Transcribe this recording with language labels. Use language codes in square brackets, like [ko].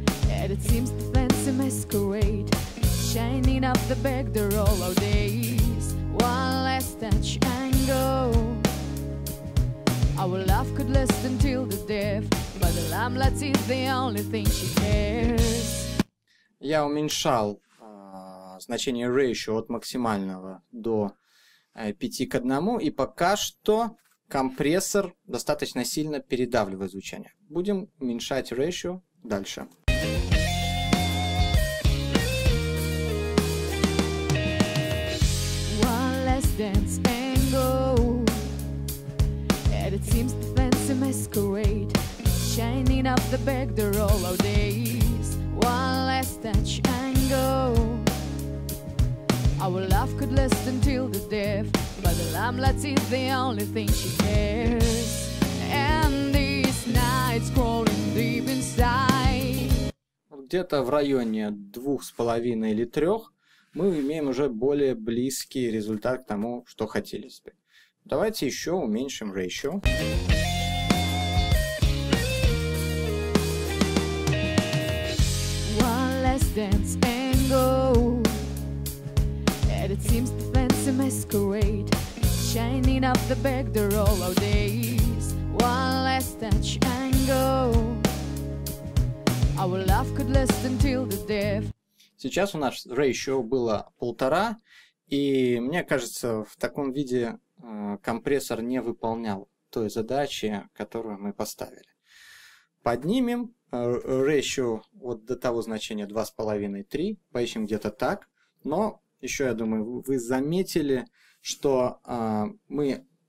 [en] And it seems the fancy masquerade shining up the back door all our days. One last touch and go. Our love could last until the death, but the limelight is the only thing she cares. [ru] Я уменьшал значение ratio от максимального до 5:1, и пока что компрессор достаточно сильно передавливает звучание. Будем уменьшать ratio дальше. [en] One last dance and go. And it seems the fancy masquerade shining up the back door all our days. One last touch and go. Our love could last until the death, but the limelight is the only thing she cares. And this night's crawling deep inside. [ru] Где-то в районе 2.5 или 3 мы имеем уже более близкий результат к тому, что хотели бы. Давайте еще уменьшим ratio. [en] One last dance and go. It seems the fancy masquerade shining up the back door all our days. One last touch and go. Our love could last until the death. [ru] Сейчас у нас ratio было 1.5, и мне кажется, в таком виде компрессор не выполнял той задачи, которую мы поставили. Поднимем ratio вот до того значения 2.5-3, поищем где-то так, но еще, я думаю, вы заметили, что мы